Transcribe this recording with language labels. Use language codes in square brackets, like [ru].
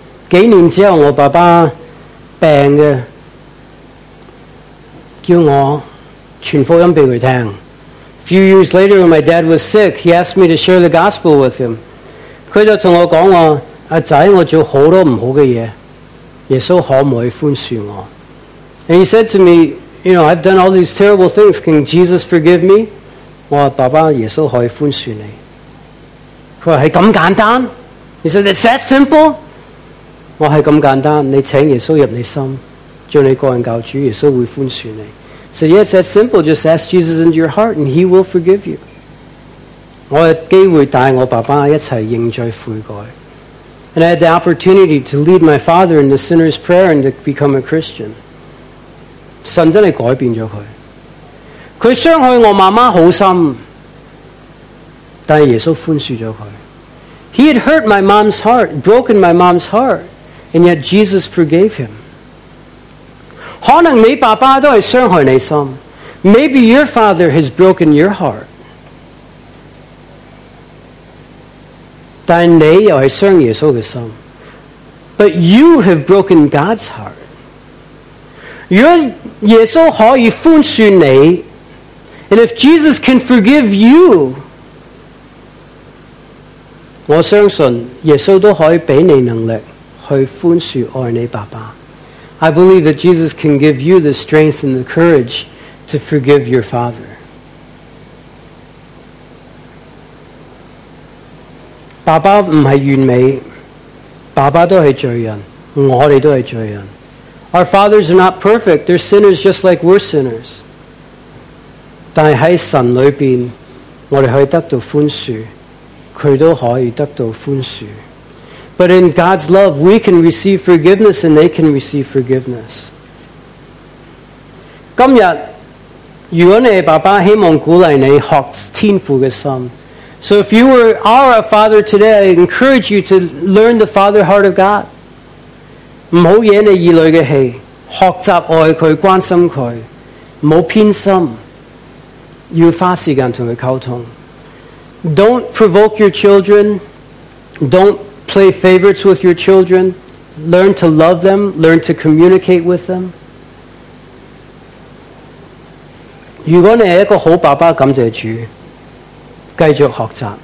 [yue] 几年之后我爸爸病的叫我传福音俾佢听。 [en] Few years later, when my dad was sick, he asked me to share the gospel with him. [yue] 佢就同我讲话：阿仔，我做好多唔好嘅嘢，耶稣可唔可以宽恕我 [en] ？And he said to me, you know, I've done all these terrible things. Can Jesus forgive me? [yue] 我话爸爸，耶稣可以宽恕你。佢话系咁简单。 [en] He said, it's that simple. [yue] 我系咁简单，你请耶稣入你心，做你个人教主，耶稣会宽恕你。 [en] So yes, that's simple. Just ask Jesus into your heart and he will forgive you. [yue] 我有机会带我爸爸一起认罪悔改。 [en] And I had the opportunity to lead my father in the sinner's prayer and to become a Christian. [yue] 神真的改变了他。他伤害我妈妈好深。但耶稣宽恕了他。 [en] He had hurt my mom's heart, broken my mom's heart, and yet Jesus forgave him. [yue] 可能你爸爸都是伤害你心。 [en] Maybe your father has broken your heart. [yue] 但你又是伤耶稣的心。 [en] But you have broken God's heart. [yue] 耶稣可以宽恕你, [en] and if Jesus can forgive you, [yue] 我相信耶稣都可以给你能力去宽恕爱你爸爸。 [en] I believe that Jesus can give you the strength and the courage to forgive your father. [yue] 爸爸不是完美, 爸爸都是罪人, 我们都是罪人。 [en] Our fathers are not perfect, they're sinners just like we're sinners. [yue] 但是在神里面, 我们可以得到宽恕, 他都可以得到宽恕。 [en] But in God's love, we can receive forgiveness and they can receive forgiveness. [yue] 今天, 如果你爸爸希望鼓励你学天父的心, [en] so if you are a father today, I encourage you to learn the father heart of God. [yue] 不要惹你儿女的气, 学习爱他,关心他, 不要偏心, 要花时间跟他沟通。 [en] Don't provoke your children, don't play favorites with your children, learn to love them, learn to communicate with them. [yue] 如果你是一个好爸爸,感谢主, 继续学习。